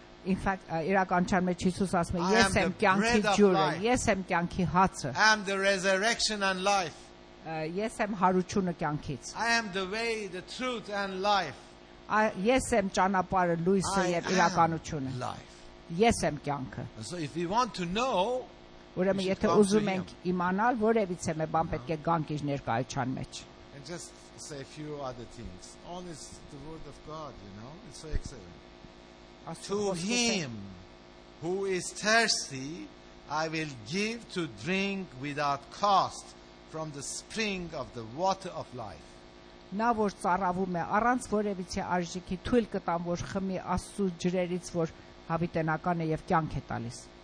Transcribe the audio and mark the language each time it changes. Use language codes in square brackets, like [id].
[en] In fact, [hy] իրականության մեջ Հիսուս ասում է, ես եմ կյանքի ջուրը, ես եմ կյանքի հացը. [en] I am the resurrection and life. [hy] Ես եմ հարությունը կյանքից. [en] I am the way, the truth and life. [hy] Ես եմ ճանապարհը, լույսը եւ իրականությունը. Ես եմ կյանքը. [en] So if you want to know, [hy] ուրեմն եթե ուզում ենք իմանալ, որևից է մի բան պետք է գանք իր ներկայության մեջ. [en] And just say a few other things. Honest the word of God, you know. It's so excellent. To him who is thirsty, I will give to drink without cost from the spring of the water of life. [hy] Նա որ ծառավում է առանց որևիցե արժեքի, թույլ կտամ որ խմի Աստծո ջրերից, որ հավիտենական է եւ կյանք է տալիս.